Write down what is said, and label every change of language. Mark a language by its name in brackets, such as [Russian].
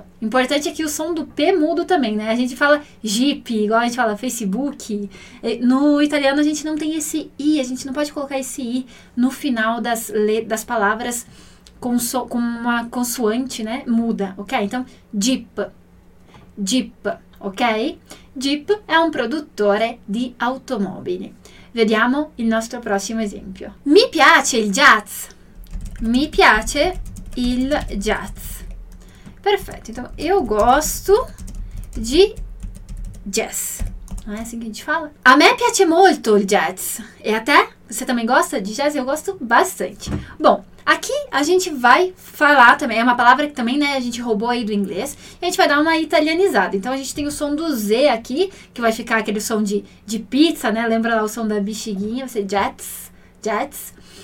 [Portuguese] Importante é que o som do P mudo também, né? A gente fala Jeep, igual a gente fala Facebook. No italiano, a gente não tem esse I, a gente não pode colocar esse I no final das palavras com uma consoante, né? Muda, ok? Então, Jeep. Jeep. Ok? [Italian] Jeep è un produttore di automobili. Vediamo il nostro prossimo esempio. Mi piace il jazz. Mi piace il jazz. Perfetto. [Portuguese] Então, io gosto di jazz. [Italian] Non è così che [Portuguese] a gente fala? [Italian] A me piace molto il jazz. E a te? [Portuguese] Você também gosta de jazz? Eu gosto bastante. Bom, aqui a gente vai falar também, é uma palavra que também, né, a gente roubou aí do inglês, e a gente vai dar uma italianizada. Então, a gente tem o som do Z aqui, que vai ficar aquele som de pizza, né? Lembra lá o som da bexiguinha, vai ser jets, jets.